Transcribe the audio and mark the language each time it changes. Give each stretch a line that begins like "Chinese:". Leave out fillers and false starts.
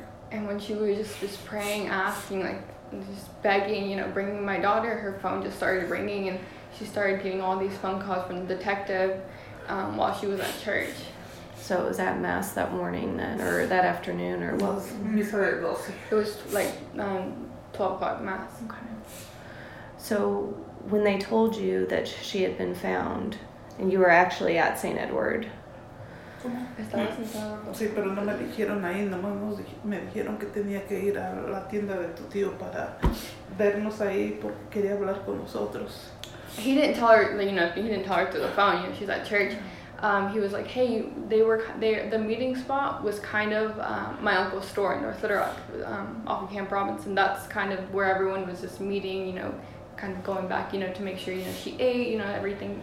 English: And when she was just praying, asking, like, just begging, you know, bringing my daughter, her phone just started ringing, and she started getting all these phone calls from the detective while she was at church. So it was at Mass that morning then, or that afternoon, or what? It was 12 o'clock Mass. Okay. So when they told you that she had been found, and you were actually at St. Edward.
Spanish: Sí, pero no me dijeron ahí, nomás me dijeron que tenía que ir a la tienda de tu tío para vernos ahí porque quería hablar con nosotros.
English: He didn't tell her, you know, he didn't tell her through the phone, you know, she's at church. He was like, hey, the meeting spot was kind of my uncle's store in North Little Rock, off of Camp Robinson. That's kind of where everyone was just meeting, you know, kind of going back, you know, to make sure, you know, she ate, you know, everything.